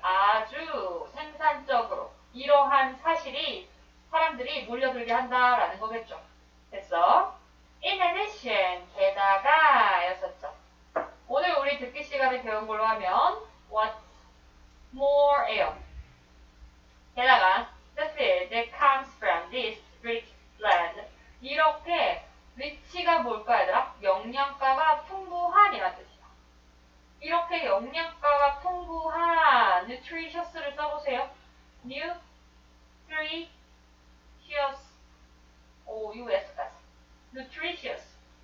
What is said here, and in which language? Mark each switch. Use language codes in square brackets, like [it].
[ko] 아주 생산적으로. 이러한 사실이 사람들이 몰려들게 한다라는 거겠죠. 됐어? In addition, 게다가 였었죠. 오늘 우리 듣기 시간에 배운 걸로 하면 [en] What's more [ko] 에요. 게다가 [en] The field that comes from this rich land. [ko] 이렇게 rich가 뭘까 얘들아? 영양가가 풍부한이란 뜻이야. 이렇게 영양가가 풍부한 nutritious를 써보세요. [en] Nutritious. U.S.까지. Nutritious.